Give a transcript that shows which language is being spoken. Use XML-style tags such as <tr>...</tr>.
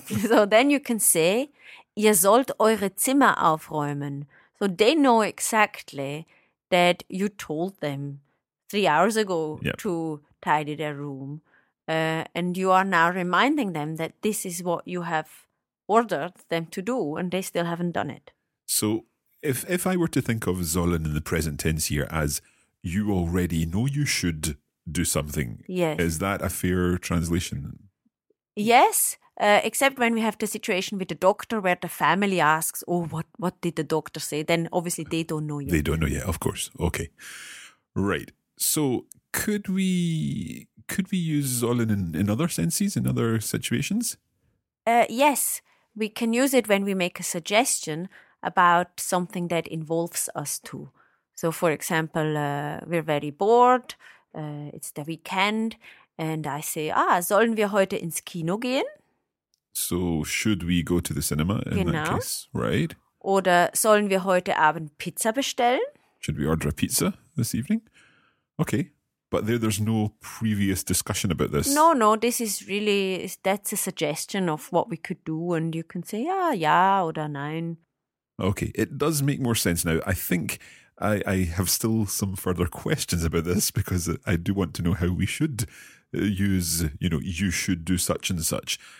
<en>So then you can say,</en> <de>ihr sollt eure Zimmer aufräumen.</de> <en>So they know exactly that you told them 3 hours ago to tidy their room. And you are now reminding them that this is what you have ordered them to do, and they still haven't done it. So if I were to think of sollen in the present tense here as you already know you should do something, yes. Is that a fair translation? Yes, Except when we have the situation with the doctor where the family asks, oh, what did the doctor say? Then obviously they don't know yet. They don't know yet, of course. Okay. Right. So could we use Zollin in other senses, in other situations? Yes. We can use it when we make a suggestion about something that involves us too. So, for example, we're very bored, it's the weekend, and I say,</en> <de>sollen wir heute ins Kino gehen?</de> <en>So, should we go to the cinema in that case, right?</en> <de>Oder sollen wir heute Abend Pizza bestellen?</de> <en>Should we order a pizza this evening? Okay, but there's no previous discussion about this. No, this is really, that's a suggestion of what we could do, and you can say,</en> <de>oder nein.</de> <en>Okay, it does make more sense now. I think I have still some further questions about this because I do want to know how we should use, you know, you should do such and such.</en>